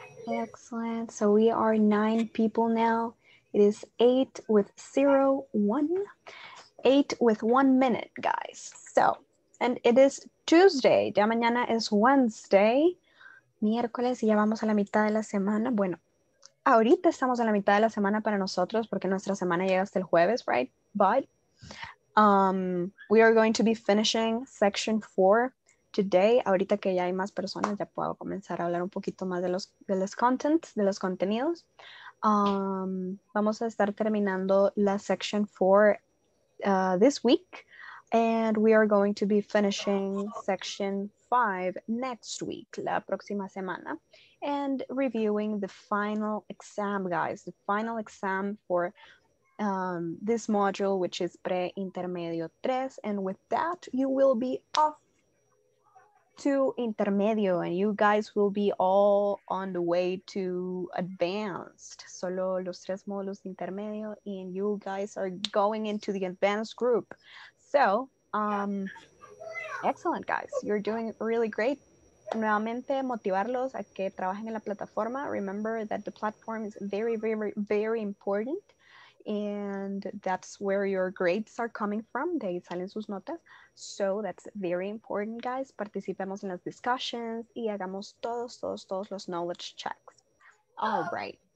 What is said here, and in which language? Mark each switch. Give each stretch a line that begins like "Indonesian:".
English: Excellent. So we are 9 people now. It is 8:01, 8 with 1 minute, guys. So, and it is Tuesday.
Spanish: Ya mañana es
English: Wednesday.
Spanish: Miércoles y ya vamos a la mitad de la semana. Bueno, ahorita estamos a la mitad de la semana para nosotros porque nuestra semana llega hasta el jueves, right?
English: But we are going to be finishing section 4 today.
Spanish: Ahorita que ya hay más personas, ya puedo comenzar a hablar un poquito más de los contenidos. Vamos a estar terminando la
English: section 4 this week, and we are going to be finishing section 5 next week,
Spanish: la próxima semana,
English: and reviewing the final exam, guys, the final exam for this module, which is pre-intermedio 3, and with that, you will be off to intermedio, and you guys will be all on the way to advanced.
Spanish: Solo los tres módulos de intermedio,
English: and you guys are going into the advanced group. So, excellent, guys. You're doing really great.
Spanish: Nuevamente, motivarlos a que trabajen en la plataforma.
English: Remember that the platform is very, very, very important, and that's where your grades are coming from.
Spanish: De ahí salen sus notas.
English: So that's very important, guys.
Spanish: Participemos en las discussions y hagamos todos los knowledge checks. All right.